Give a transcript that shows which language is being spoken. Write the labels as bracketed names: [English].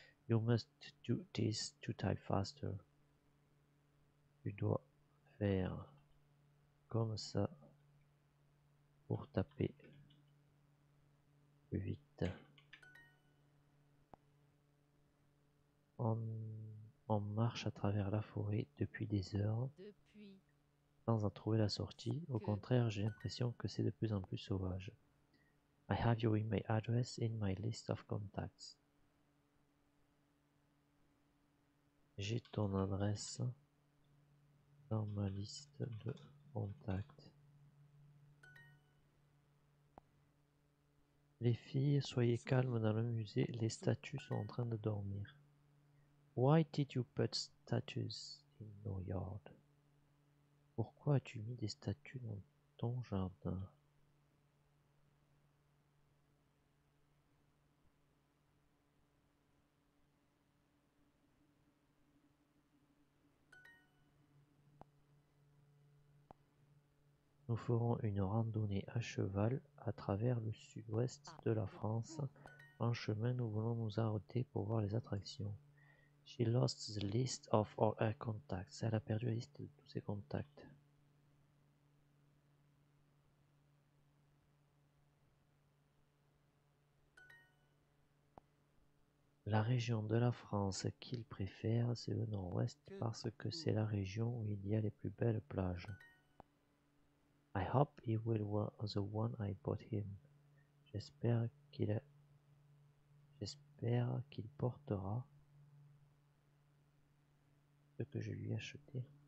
[English] You must do this to type faster. [French] Tu dois faire comme ça pour taper plus vite. On marche à travers la forêt depuis des heures Depuis sans en trouver la sortie. Au que contraire, j'ai l'impression que c'est de plus en plus sauvage. [English] I have your email address in my list of contacts. [French] J'ai ton adresse dans ma liste de contacts. Les filles, soyez calmes dans le musée, les statues sont en train de dormir. [English] Why did you put statues in your yard? [French] Pourquoi as-tu mis des statues dans ton jardin? Nous ferons une randonnée à cheval à travers le sud-ouest de la France. En chemin, nous voulons nous arrêter pour voir les attractions. [English] She lost the list of all her contacts. [French] Elle a perdu la liste de tous ses contacts. La région de la France qu'il préfère, c'est le nord-ouest parce que c'est la région où il y a les plus belles plages. [English] I hope he will wear the one I bought him. [French] J'espère qu'il portera ce que je lui ai acheté.